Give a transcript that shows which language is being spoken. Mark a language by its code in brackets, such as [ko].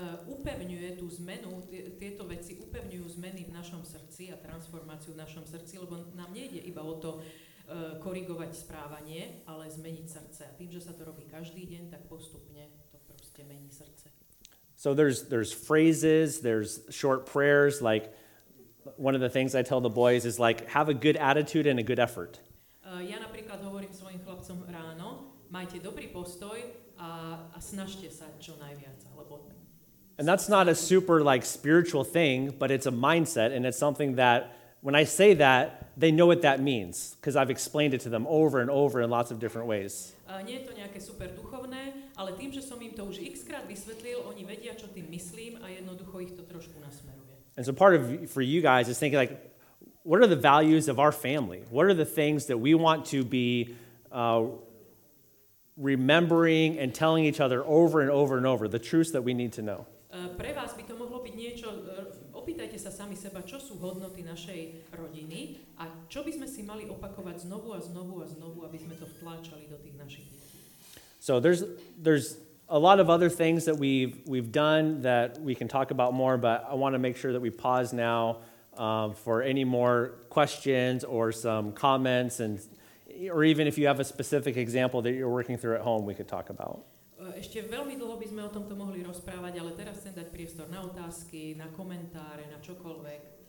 [sk] Upevňuje tú zmenu, tieto veci upevňujú zmeny v našom srdci a transformáciu v našom srdci, lebo nám nejde iba o to korigovať správanie, ale zmeniť srdce. A tým, že sa to robí každý deň, tak postupne to proste mení srdce. [en] So there's phrases, there's short prayers, like one of the things I tell the boys is like have a good attitude and a good effort. [sk] Ja napríklad hovorím svojim chlapcom ráno, majte dobrý postoj a snažte sa čo najviac, alebo. [en] And that's not a super like spiritual thing, but it's a mindset and it's something that when I say that, they know what that means because I've explained it to them over and over in lots of different ways. [sk] Nie je to nejaké super duchovné, ale tým, že som im to už x-krát vysvetlil, oni vedia, čo tým myslím a jednoducho ich to trošku nasmeruje. [en] And so part of for you guys is thinking like, what are the values of our family? What are the things that we want to be remembering and telling each other over and over and over, the truths that we need to know? [sk] Pre vás by to mohlo byť niečo, opýtajte sa sami seba, čo sú hodnoty našej rodiny a čo by sme si mali opakovať znovu a znovu a znovu, aby sme to vtláčali do tých našich detí. [en] So there's a lot of other things that we've done that we can talk about more, but I want to make sure that we pause now for any more questions or some comments and or even if you have a specific example that you're working through at home we could talk about. [sk] Ešte veľmi dlho by sme o tomto mohli rozprávať, ale teraz chcem dať priestor na otázky, na komentáre, na čokoľvek.